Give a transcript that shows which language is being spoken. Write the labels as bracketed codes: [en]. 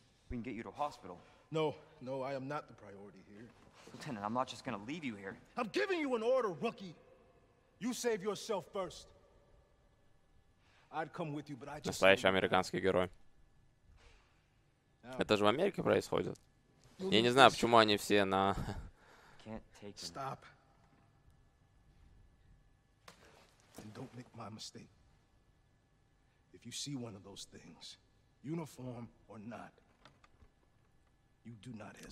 [en] We can get you to hospital. No, no, I am not the priority here. Lieutenant, I'm not just gonna leave you here. I'm giving you an order, rookie. You save yourself first. I'd come with you, but I just... [ru] Настоящий американский герой. Это же в Америке происходит. Я не знаю, почему они все на... [en] Stop. And don't make my mistake. If you see one of those things, uniform or not, you do not hesitate.